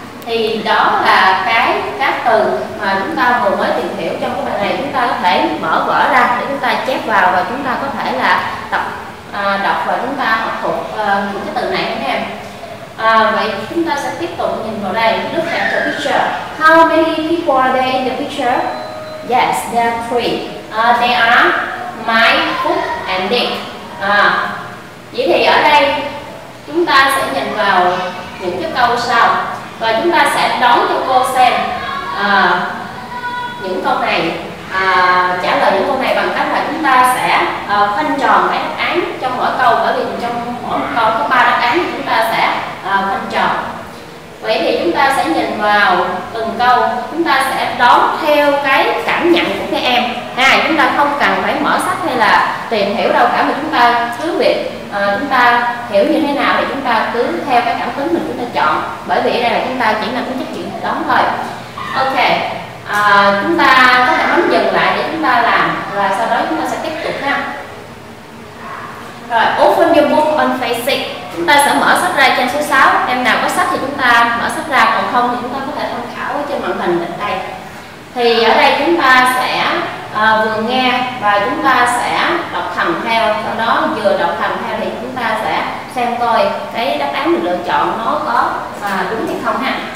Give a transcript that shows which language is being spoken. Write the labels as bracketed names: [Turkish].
[Vietnamese] Thì đó là cái các từ mà chúng ta vừa mới tìm hiểu trong cái bài này. Chúng ta có thể mở vở ra để chúng ta chép vào và chúng ta có thể là tập đọc và chúng ta học thuộc những cái từ này nha em. Vậy chúng ta sẽ tiếp tục nhìn vào đây. [English] Look at the picture. How many people are there in the picture? Yes, there are three. They are Mike, Hook and Dick. [Vietnamese] Vậy thì ở đây chúng ta sẽ nhìn vào những cái câu sau. Và chúng ta sẽ đón cho cô xem những câu này, trả lời những câu này bằng cách là chúng ta sẽ phân tròn cái đáp án trong mỗi câu. Bởi vì trong mỗi câu có 3 đáp án thì chúng ta sẽ phân tròn. Vậy thì chúng ta sẽ nhìn vào từng câu, chúng ta sẽ đón theo cái cảm nhận của các em. Chúng ta không cần phải mở sách hay là tìm hiểu đâu cả, mà chúng ta cứ việc chúng ta hiểu như thế nào thì chúng ta cứ theo cái cảm tính mình chúng ta chọn. Bởi vì ở đây là chúng ta chỉ làm cái trách nhiệm đón thôi. Ok, chúng ta có thể bấm dừng lại để chúng ta làm và sau đó chúng ta sẽ tiếp tục ha. [English] Rồi, open your book on page 6. [Vietnamese] Chúng ta sẽ mở sách ra trang số 6. Em nào có sách thì chúng ta mở sách ra, còn không thì chúng ta có thể tham khảo ở trên màn hình ở đây. Thì ở đây chúng ta sẽ vừa nghe và chúng ta sẽ đọc thầm theo. Sau đó vừa đọc thầm theo thì chúng ta sẽ xem coi cái đáp án mình lựa chọn nó có đúng hay không ha.